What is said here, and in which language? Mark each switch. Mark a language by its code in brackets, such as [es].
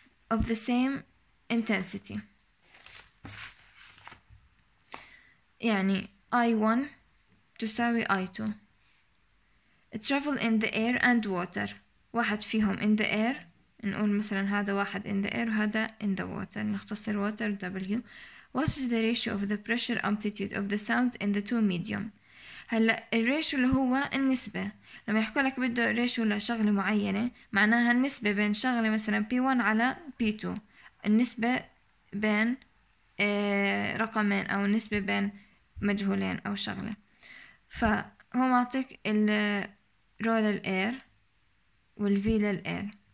[en] of the same intensity. [ar] يعني I1 تساوي I2. [en] Travel in the air and water. [ar] واحد فيهم [en] in the air. [ar] نقول مثلا هذا واحد [en] in the air [ar] وهذا [en] in the water. [ar] نختصر water W. [en] What is the ratio of the pressure amplitude of the sound in the two medium? [ar] هلأ الراتيو اللي هو النسبة. لما يحكوا لك بده ratio لشغلة معينة معناها النسبة بين شغلة مثلا P1 على P2. النسبة بين رقمين أو النسبة بين مجهولين أو شغلة. فهو معطيك الرو للأير والفي للأير.